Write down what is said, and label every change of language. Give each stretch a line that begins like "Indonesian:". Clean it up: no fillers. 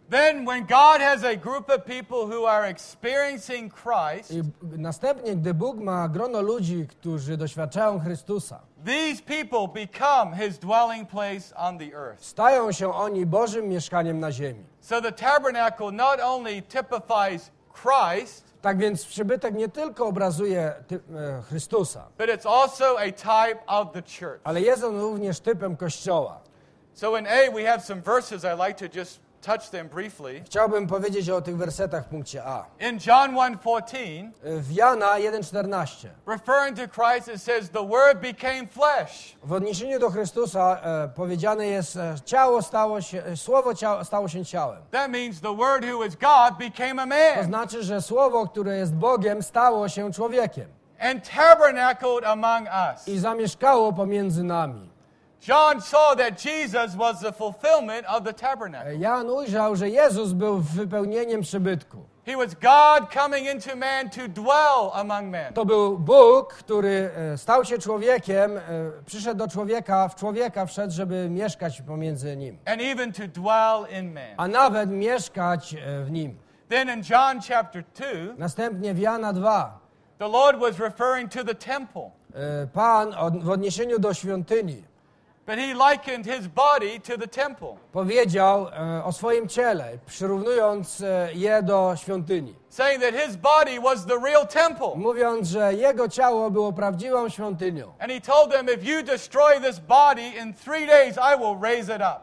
English: Then when God has a group of people who are experiencing Christ.
Polish: I następnie, gdy Bóg ma grono ludzi, którzy doświadczają Chrystusa.
English: These people become his dwelling place on the earth.
Polish: Stają się oni Bożym mieszkaniem na ziemi.
English: So the tabernacle not only typifies Christ.
Polish: Tak więc przybytek nie tylko obrazuje Chrystusa,
English: but it's also a type of the church.
Polish: Ale jest on również typem Kościoła.
English: So in A we have some verses I'd like to just touch them briefly.
Polish: Chciałbym powiedzieć o tych wersetach w punkcie A.
English: In John 1:14,
Polish: w Jana 1:14,
English: referring to Christ, it says the word became flesh.
Polish: W odniesieniu do Chrystusa powiedziane jest słowo stało się ciałem.
English: That means the word who is God became a man.
Polish: To znaczy, że słowo, które jest Bogiem, stało się człowiekiem.
English: And tabernacled among us.
Polish: I zamieszkało pomiędzy nami.
English: John saw that Jesus was the fulfillment of the tabernacle.
Polish: Jan ujrzał, że Jezus był wypełnieniem przybytku.
English: He was God coming into man to dwell among men.
Polish: To był Bóg, który stał się człowiekiem, przyszedł do człowieka, w człowieka wszedł, żeby mieszkać pomiędzy nim.
English: And even to dwell in man.
Polish: A nawet mieszkać w nim.
English: Then in John chapter 2,
Polish: następnie w Jana 2,
English: the Lord was referring to the temple.
Polish: Pan w odniesieniu do świątyni.
English: But he likened his body to the temple.
Polish: Powiedział o swoim ciele, przyrównując je do świątyni.
English: Saying that his body was the real temple.
Polish: Mówiąc, że jego ciało było prawdziwą świątynią.
English: And he told them, if you destroy this body in 3 days, I will raise it up.